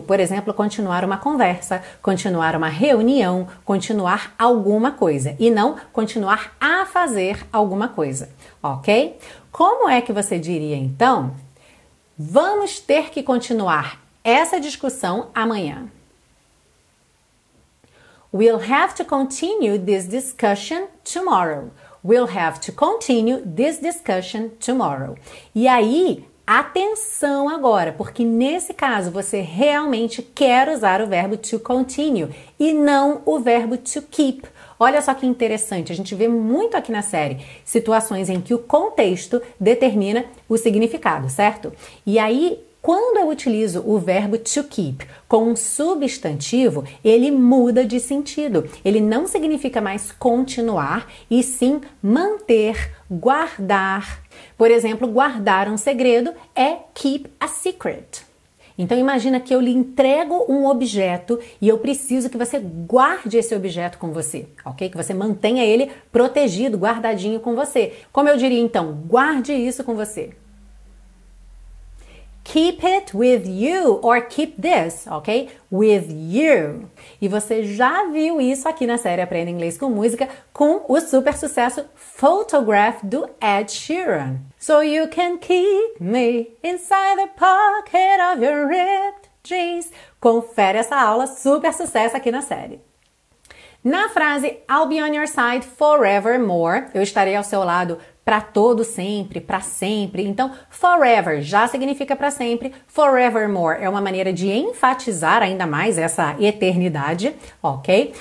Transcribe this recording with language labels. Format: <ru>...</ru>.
<pt>Por exemplo, continuar uma conversa, continuar uma reunião, continuar alguma coisa. E não continuar a fazer alguma coisa, ok? Como é que você diria, então, vamos ter que continuar essa discussão amanhã?</pt> <en>We'll have to continue this discussion tomorrow. We'll have to continue this discussion tomorrow.</en> <pt>E aí, atenção agora, porque nesse caso você realmente quer usar o verbo to continue e não o verbo to keep. Olha só que interessante, a gente vê muito aqui na série situações em que o contexto determina o significado, certo? E aí, quando eu utilizo o verbo to keep com um substantivo, ele muda de sentido. Ele não significa mais continuar, e sim manter, guardar. Por exemplo, guardar um segredo é</pt> <en>keep a secret.</en> <pt>Então imagina que eu lhe entrego um objeto e eu preciso que você guarde esse objeto com você, ok? Que você mantenha ele protegido, guardadinho com você. Como eu diria então, guarde isso com você?</pt> <en>Keep it with you or keep this, ok? With you.</en> <pt>E você já viu isso aqui na série Aprenda Inglês com Música com o super sucesso Photograph do Ed Sheeran.</pt> <en>So you can keep me inside the pocket of your ripped jeans.</en> <pt>Confere essa aula super sucesso aqui na série. Na frase</pt> <en>I'll be on your side forevermore,</en> <pt>eu estarei ao seu lado para todo sempre, para sempre. Então, forever já significa para sempre. Forevermore é uma maneira de enfatizar ainda mais essa eternidade, ok?</pt>